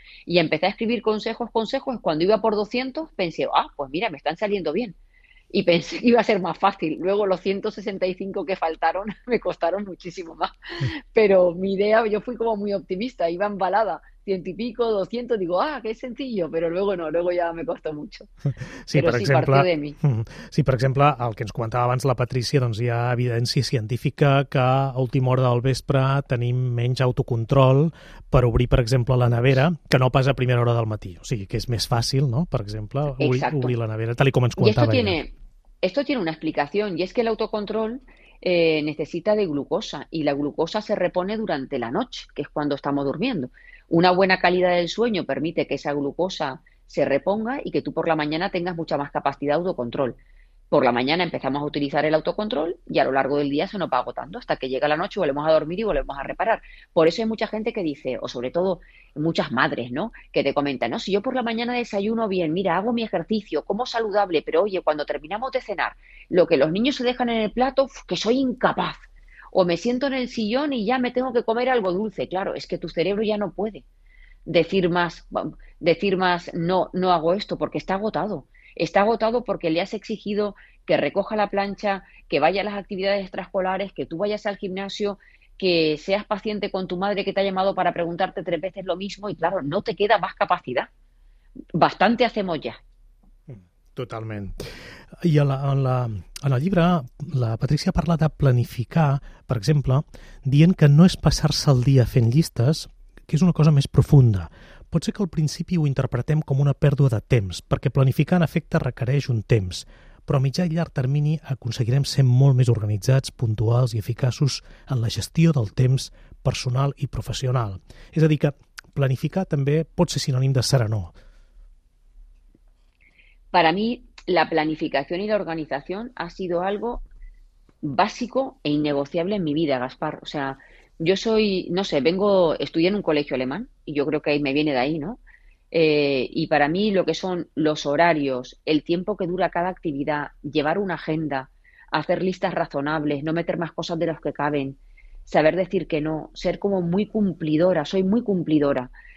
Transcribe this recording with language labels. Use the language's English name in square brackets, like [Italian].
[Spanish] Y empecé a escribir consejos, cuando iba por 200 pensé, ah, pues mira, me están saliendo bien. Y pensé que iba a ser más fácil. Luego los 165 que faltaron me costaron muchísimo más. Pero mi idea, yo fui como muy optimista, iba embalada. 100 y pico, 200, digo, ah, qué sencillo, pero luego no, luego ya me costó mucho. Sí, [Catalan] però per exemple, [Spanish] partió de mi. [Catalan] Sí, per exemple, el que ens comentava abans la Patrícia, doncs hi ha evidència científica que a última hora del vespre tenim menys autocontrol per obrir, per exemple, la nevera, que no pas a primera hora del matí. O sigui, que és més fàcil, no?, per exemple, obrir la nevera, tal com ens comentava. [Spanish] Esto tiene una explicación, y es que el autocontrol necesita de glucosa, y la glucosa se repone durante la noche, que es cuando estamos durmiendo. Una buena calidad del sueño permite que esa glucosa se reponga y que tú por la mañana tengas mucha más capacidad de autocontrol. Por la mañana empezamos a utilizar el autocontrol y a lo largo del día se nos va agotando hasta que llega la noche, volvemos a dormir y volvemos a reparar. Por eso hay mucha gente que dice, o sobre todo muchas madres, ¿no?, que te comentan, no, si yo por la mañana desayuno bien, mira, hago mi ejercicio, como saludable, pero oye, cuando terminamos de cenar, lo que los niños se dejan en el plato, que soy incapaz. O me siento en el sillón y ya me tengo que comer algo dulce. Claro, es que tu cerebro ya no puede decir más no hago esto, porque está agotado. Está agotado porque le has exigido que recoja la plancha, que vaya a las actividades extraescolares, que tú vayas al gimnasio, que seas paciente con tu madre que te ha llamado para preguntarte 3 veces lo mismo, y claro, no te queda más capacidad. Bastante hacemos ya. [Catalan] Totalment. I en el llibre, la Patrícia parla de planificar, per exemple, dient que no és passar-se el dia fent llistes, que és una cosa més profunda. Pot ser que al principi ho interpretem com una pèrdua de temps, perquè planificar en efecte requereix un temps, però a mitjà i llarg termini aconseguirem ser molt més organitzats, puntuals i eficaços en la gestió del temps personal i professional. És a dir, que planificar també pot ser sinònim de serenor. [Spanish] Para mí, la planificación y la organización ha sido algo básico e innegociable en mi vida, Gaspar. O sea, yo soy, no sé, estudié en un colegio alemán, y yo creo que ahí me viene de ahí, ¿no? Y para mí, lo que son los horarios, el tiempo que dura cada actividad, llevar una agenda, hacer listas razonables, no meter más cosas de las que caben, saber decir que no, ser como muy cumplidora, soy muy cumplidora.